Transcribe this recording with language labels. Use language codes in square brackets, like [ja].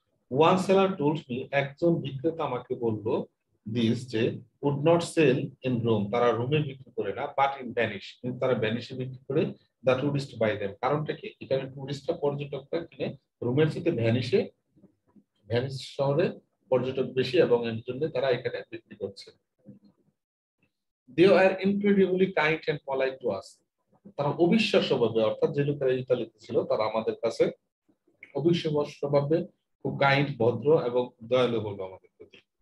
[en] one seller told me, [bn] একজন বিক্রেতা আমাকে বলল [en] this, যে would not sell in Rome, [bn] তারা রোমে বিক্রি করে না, [en] but in Venice, [bn] কিন্তু তারা ভ্যানিশে বিক্রি করে [en] The tourist by them. [bn] কারণটা কি, এখানে টুরিস্টরা, পর্যটকরা কিনে রোমের থেকে ভ্যানিশে, ভ্যানিশ শহরে পর্যটক বেশি এবং এর জন্য তারা এখানে বিক্রি করছে। [en] They are incredibly kind and polite to us. [bn] তারা অবিশ্বাস্যভাবে, অর্থাৎ যে লোকেরা ইতালিতে ছিল তারা আমাদের কাছে অবিশ্বাস্যভাবে খুব কাইন্ড, ভদ্র এবং দয়ালু হলো আমাদের প্রতি।